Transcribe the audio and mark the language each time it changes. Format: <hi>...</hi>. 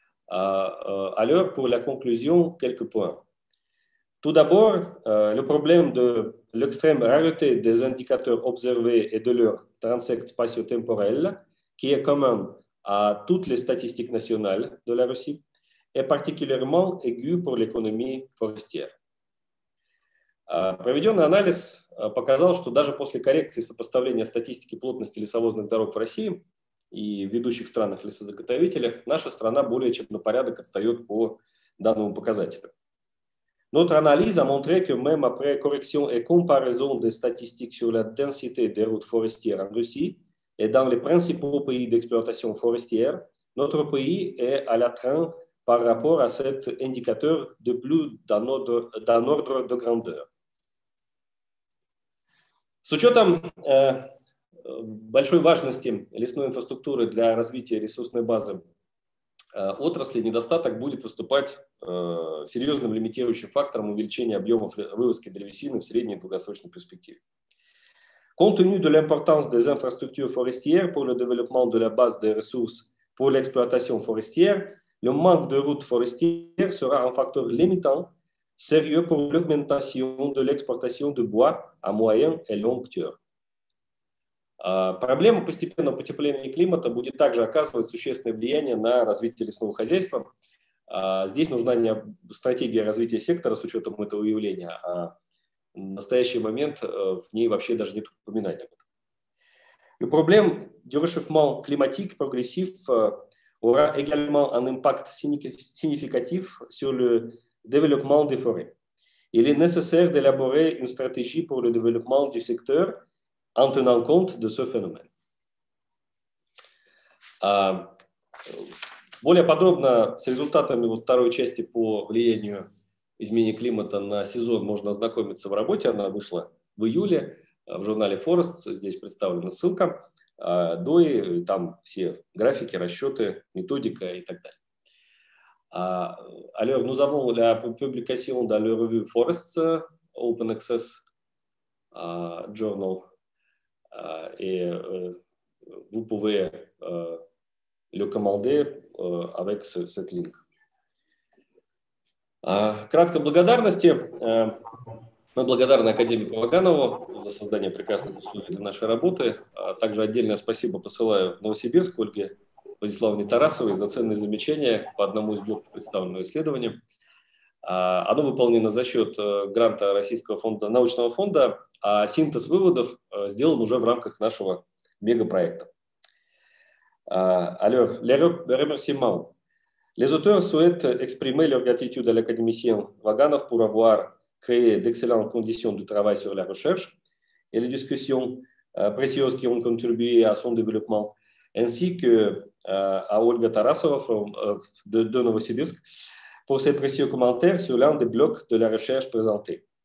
<fr>alors pour la conclusion, quelques points. Tout d'abord, le problème de l'extrême rareté des indicateurs observés et de leur transect spatio-temporel, qui est commun à toutes les statistiques nationales de la Russie, est particulièrement aigu pour l'économie forestière.</fr> <ru>Проведенный анализ показал, что даже после коррекции сопоставления статистики плотности лесовозных дорог в России и в ведущих странах лесозаготовителях, наша страна более чем на порядок отстает по данному показателю.</ru> <fr>Notre analyse a montré que même après correction et comparaison des statistiques sur la densité des routes forestières en Russie et dans les principaux pays d'exploitation forestière, notre pays est à la traîne par rapport à cet indicateur de plus d'un ordre de grandeur.</fr> <ru>С учетом большой важности лесной инфраструктуры для развития ресурсной базы отрасли, недостаток будет выступать серьезным лимитирующим фактором увеличения объемов вывозки древесины в средней и долгосрочной перспективе.</ru> <fr>Compte tenu de l'importance des infrastructures forestières pour le développement de la base des ressources pour l'exploitation forestière, le manque de routes forestières sera un facteur limitant sérieux pour l'augmentation de l'exportation de bois à moyen et longue durée.</fr> <ru>Проблема постепенного потепления климата будет также оказывать существенное влияние на развитие лесного хозяйства. Здесь нужна не стратегия развития сектора с учетом этого явления, а в настоящий момент в ней вообще даже нет упоминания.</ru> <fr>Le problème du réchauffement climatique progressif aura également un impact significatif sur le développement des forêts. Il est nécessaire d'élaborer une stratégie pour le développement du secteur en tenant compte de ce phénomène.</fr> <ru>Более подробно с результатами вот второй части по влиянию изменения климата на сезон можно ознакомиться в работе. Она вышла в июле в журнале Forests. Здесь представлена ссылка. ДОИ, там все графики, расчеты, методика и так далее.</ru> <fr>Alors, nous avons la publication dans la revue Forests, Open Access Journal. Et vous pouvez le commander avec ce link.</fr> <ru>Кратко благодарности. Мы благодарны академику Ваганову за создание прекрасных условий для нашей работы. Также отдельное спасибо посылаю Новосибирску Ольге Владиславовне Тарасовой за ценные замечания по одному из блоков представленного исследования. Оно выполнено за счет гранта Российского фонда, научного фонда, а синтез выводов сделан уже в рамках нашего мегапроекта.</ru> <fr>Alors, les remerciements. Les auteurs souhaitent exprimer leur gratitude à l'académicien Ваганов pour avoir créé d'excellentes conditions de travail sur la recherche et les discussions précieuses qui ont contribué à son développement, ainsi que à Ольга Тарасова de Novosibirsk, pour ses précieux commentaires sur l'un des blocs de la recherche présentée.</fr>